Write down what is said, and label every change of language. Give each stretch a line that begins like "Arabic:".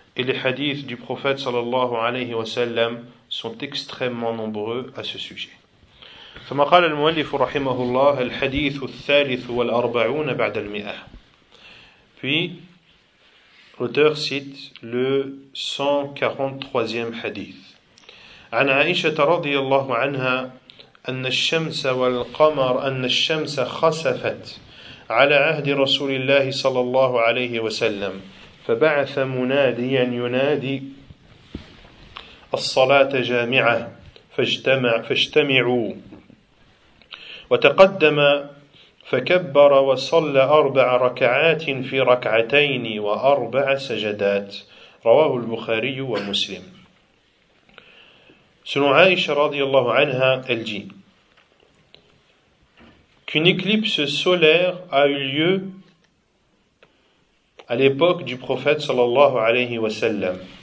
French: Et les hadiths du prophète sallallahu alayhi wa sallam sont extrêmement nombreux à ce sujet.
Arabic: فما قال المؤلف رحمه الله الحديث الثالث والأربعون بعد المئة.
French: Puis l'auteur cite le 143e hadith.
Arabic: عن عائشة رضي الله عنها أن الشمس والقمر أن الشمس خسفت على عهد رسول الله صلى الله عليه وسلم فبعث مناديا ينادي الصلاة جامعة فاجتمعوا. وتقدم فكبر وصلى 4 ركعات في 2 ركعتين و4 سجدات. رواه البخاري ومسلم.
French: Selon Aïcha radiallahu anha, elle dit qu'une éclipse solaire a eu lieu à l'époque du prophète sallallahu alayhi wa sallam.